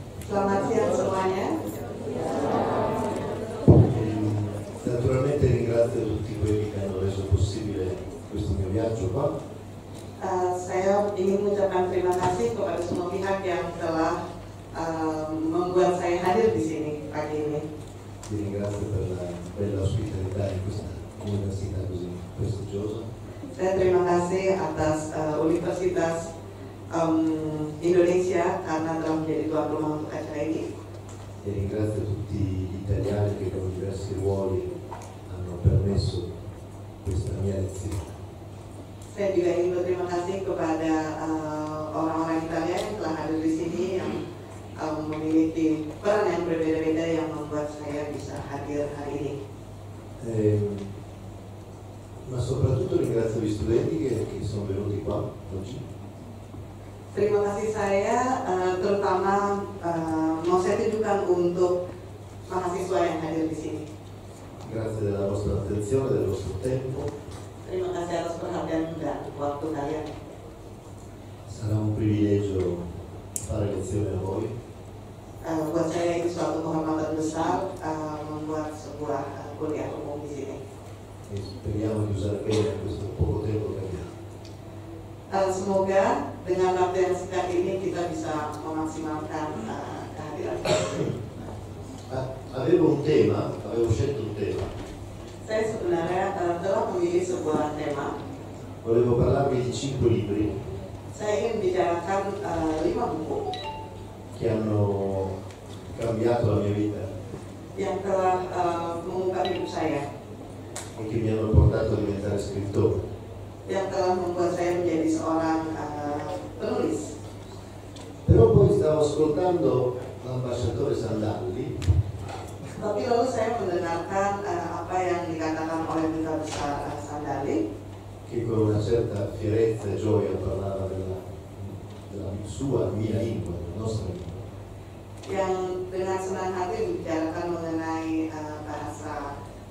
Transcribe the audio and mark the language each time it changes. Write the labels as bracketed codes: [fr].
[it] Naturalmente ringrazio tutti quelli che hanno reso possibile questo mio viaggio qua. [id] Saya ingin mengucapkan terima kasih kepada semua pihak yang telah membuat saya hadir di sini pagi ini. [it] Vi ringrazio per la bella ospitalità di questa università così prestigiosa. [id] Saya terima kasih atas Universitas Indonesia karena telah menjadi tuan rumah untuk acara ini. [it] E ringrazio tutti gli italiani che con diversi ruoli hanno permesso questa mia lezione. [id] Saya juga ingin berterima kasih kepada orang-orang Italia yang telah hadir di sini yang memiliki peran yang berbeda-beda yang membuat saya bisa hadir hari ini. [it] Ma soprattutto ringrazio gli studenti che sono venuti qua oggi. [id] Terima kasih saya terutama mau saya tunjukkan untuk mahasiswa yang hadir di sini. [it] Grazie della vostra attenzione, del vostro tempo. [id] Terima kasih atas perhatian juga waktu kalian. [it] Sarà un privilegio fare lezione a voi. [id] Buat saya ini suatu kehormatan besar membuat sebuah kuliah umum di sini. [it] E speriamo di usare bene questo poco tempo che abbiamo. [id] Semoga dengan waktu yang singkat ini kita bisa memaksimalkan kehadiran kita. [it] Avevo scelto un tema. [id] Saya sebenarnya telah memilih sebuah tema. [it] Volevo parlarvi di 5 libri. [id] Saya ingin membicarakan 5 buku. [it] Che hanno cambiato la mia vita. [id] Yang telah mengubah hidup saya. [it] E che mi hanno portato a diventare scrittore. [id] Yang telah membuat saya menjadi seorang penulis. [it] Però poi stavo ascoltando l'ambasciatore Sandalli. [id] Tapi lalu saya mendengarkan apa yang dikatakan oleh duta besar Sandalli. [it] Che con una certa fierezza e gioia parlava della sua mia lingua, della nostra lingua. [id] Yang dengan senang hati membicarakan mengenai bahasa.